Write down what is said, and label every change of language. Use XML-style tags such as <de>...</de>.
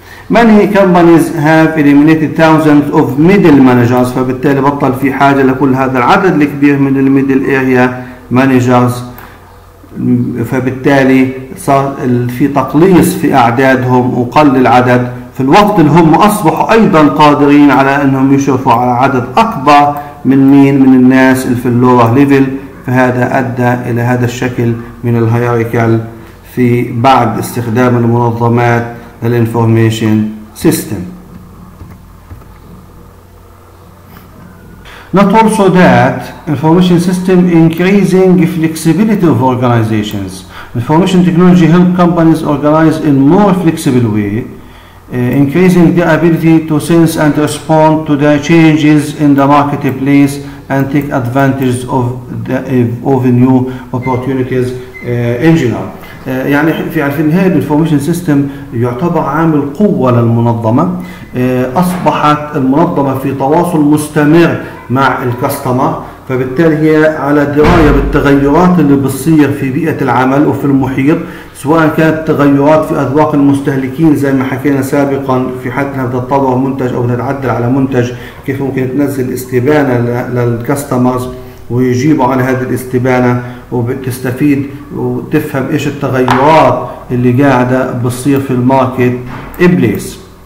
<en>Many companies have eliminated thousands of middle managers،</en> <ar>فبالتالي بطل في حاجة لكل هذا العدد الكبير من الميدل اريا مانجرز، فبالتالي صار في تقليص في اعدادهم وقل العدد في الوقت اللي هم اصبحوا ايضا قادرين على انهم يشرفوا على عدد اكبر من مين؟ من الناس اللي في اللور ليفل. فهذا ادى الى هذا الشكل من الهيريكال في بعد استخدام المنظمات الانفورميشن سيستم.</ar> <en>Not also that information system increasing flexibility of organizations. Information technology help companies organize in more flexible way, increasing their ability to sense and respond to the changes in the marketplace and take advantage of the new opportunities in general.</en> <ar>يعني في النهاية الانفورميشن سيستم يعتبر عامل قوة للمنظمة. أصبحت المنظمة في تواصل مستمر مع الكاستمر، فبالتالي هي على دراية بالتغيرات اللي بتصير في بيئة العمل وفي المحيط، سواء كانت تغيرات في أذواق المستهلكين زي ما حكينا سابقا في حالتها بتتطور منتج أو بتتعدل على منتج، كيف ممكن تنزل استبانة للكاستمرز ويجيبوا على هذه الاستبانة وبتستفيد وتفهم إيش التغيرات اللي قاعدة بتصير في الماركت إبليس.</ar>